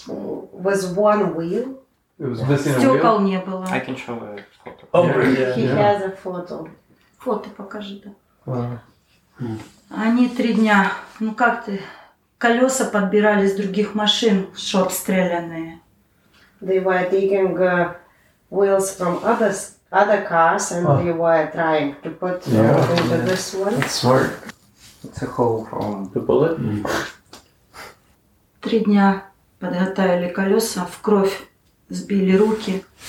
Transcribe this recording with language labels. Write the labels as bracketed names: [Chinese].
[English] Was one wheel. It was missing a wheel. [Russian] Стекол не было. [English] I can show a photo. Oh, yeah. He has a photo. [Russian] Фото покажи, да. Они три дня, ну как ты, колеса подбирали с других машин, что обстрелянные. [English] They were taking wheels from other cars and they were trying to put into this one. It's smart. It's a hole from the bullet. Mm. [Russian] Три дня подготовили колеса, в кровь сбили руки.